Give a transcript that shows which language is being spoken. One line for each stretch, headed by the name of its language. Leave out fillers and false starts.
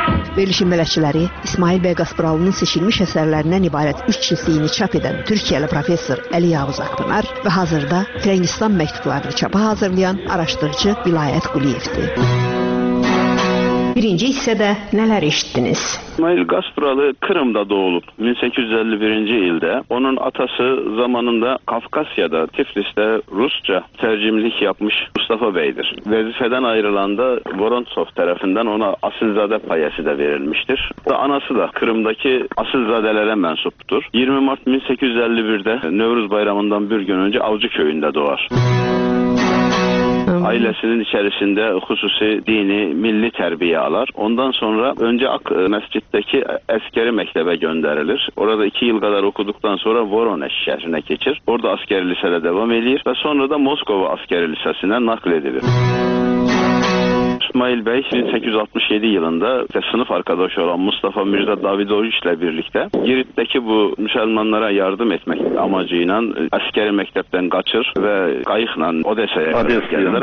Azerbaijani: Verilişin mələkçiləri İsmail bəy Qasparalının seçilmiş əsərlərindən ibarət 3 çiftliyini çap edən Türkiyəli professor Əli Yavuz Akpınar və hazırda Frəngistan məktublarını çapa hazırlayan araşdırıcı Vilayət Quliyevdir. Birinci hissədə nələr eşitdiniz? İsmail Qasparalı Kırım'da doğulub 1851-ci ildə. Onun atası zamanında Kafkasya'da, Tiflisdə Rusça tərcimlik yapmış Mustafa bəydir. Vəzifədən ayrılanda Vorontsov tərəfindən ona asilzadə payəsi də verilmişdir. Anası da Kırım'dakı asilzadələrə mənsubdur. 20 Mart 1851-də Növruz bayramından bir gün öncə Avcıköyündə doğar. Ailəsinin içərisində xüsusi dini, milli tərbiyə alar. Ondan sonra öncə Ak məsciddəki əskəri məktəbə göndərilir. Orada 2 il qədər okuduqdan sonra Voronej şəhərinə keçir. Orada əskəri lisədə davam edir və sonra da Moskova əskəri lisəsinə nakl edilir.
Turkish: İsmail bəy 1867 yılında sınıf arkadaşı olan Mustafa Mirza Davidoviç ile birlikte Girit'teki bu Müslümanlara yardım etmek amacıyla askeri mektepten kaçır ve kayıkla Odessa'ya gelirler.